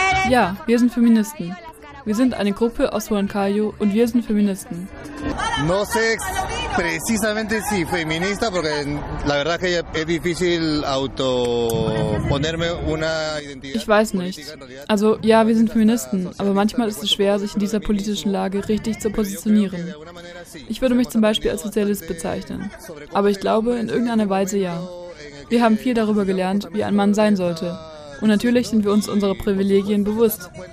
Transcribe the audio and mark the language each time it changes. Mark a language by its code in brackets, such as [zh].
[de] Ja, wir sind Feministen. Wir sind eine Gruppe aus Huancayo und wir sind Feministen. [es] No sé precisamente si feminista, porque la verdad que es difícil autoponerme una identidad. [de] Ich weiß nicht. Also ja, wir sind Feministen, aber manchmal ist es schwer, sich in dieser politischen Lage richtig zu positionieren. Ich würde mich zum Beispiel als Sozialist bezeichnen, aber ich glaube, in irgendeiner Weise ja. Wir haben viel darüber gelernt, wie ein Mann sein sollte. Und natürlich sind wir uns unserer Privilegien bewusst.